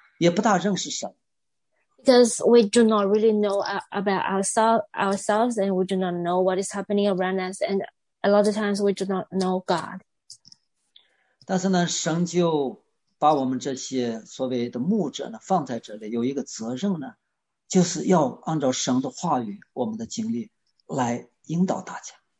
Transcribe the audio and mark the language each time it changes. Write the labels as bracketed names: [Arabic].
[Chinese] 不大认识我们自己，也不大认识我们经历的这个生命的过程，也不大认识神。 [English] Because we do not really know about ourselves, and we do not know what is happening around us, and a lot of times we do not know God. [Chinese] 但是呢，神就把我们这些所谓的牧者呢放在这里，有一个责任呢，就是要按照神的话语、我们的经历来引导大家。